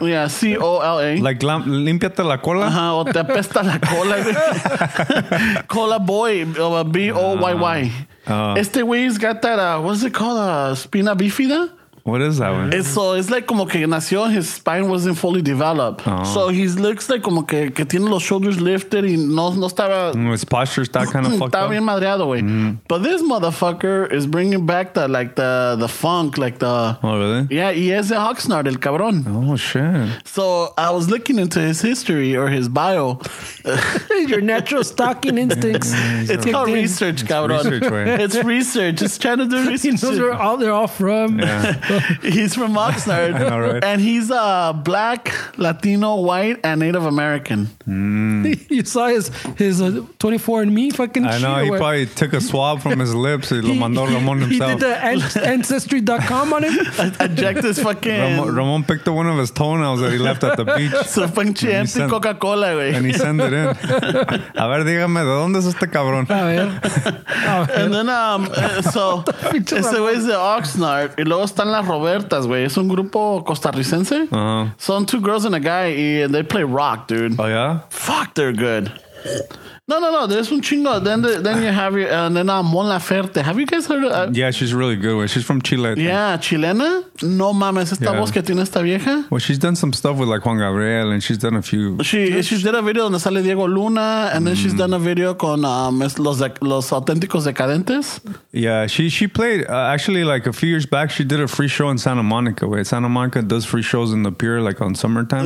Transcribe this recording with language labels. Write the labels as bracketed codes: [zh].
[en] Yeah, C-O-L-A. [es] Like límpiate la cola? Ajá, o te apesta la cola. Cola Boy, B-O-Y-Y. Este güey's [en] got that, what's it called? Spina bifida? What is that one? And so it's like [es] como que nació, [en] his spine wasn't fully developed. Oh. So he looks like [es] como que tiene los [en] shoulders lifted [es] y no estaba... [en] His posture's that kind of fucked up. [es] Está bien madreado, güey. [en] But this motherfucker is bringing back the funk, like the... Oh, really? [es] Yeah, y es de Oxnard, el cabrón. [en] Oh, shit. So I was looking into his history or his bio. Your natural stalking instincts. It's called research, cabrón. It's research, right? It's research. It's trying to do research. He knows where they're all from. Yeah. He's from Oxnard. I know, right? And he's black, Latino, white, and Native American. Mm. You saw his 24andMe fucking shit. I know. He probably took a swab from his lips. He [es] lo mandó [en] Ramon himself. He did the ancestry.com on him. Eject his fucking... Ramon picked one of his toenails that he left at the beach. [es] Su pinche anti Coca-Cola, güey. [en] And he sent it in. [es] A ver, dígame, ¿de dónde es este cabrón? A ver. [en] And then, so, [es] ese güey es de Oxnard. Y luego están las Robertas, güey. Es un grupo costarricense. [en] Son two girls and a guy, and they play rock, dude. Oh, yeah? Fuck, they're good. No, there's [es] un chingo. [en] Then you have your, and then Mon Laferte. Have you guys heard of, yeah, she's really good. She's from Chile. [es] Yeah, chilena. No mames, esta voz que tiene esta vieja. [en] Well, she's done some stuff with like Juan Gabriel, and she's done a few. She did a video [es] donde sale [en] Diego Luna, and then she's done a video con los Auténticos Decadentes. Yeah, she played actually like a few years back. She did a free show in Santa Monica. Wait, Santa Monica does free shows in the pier, like on summertime.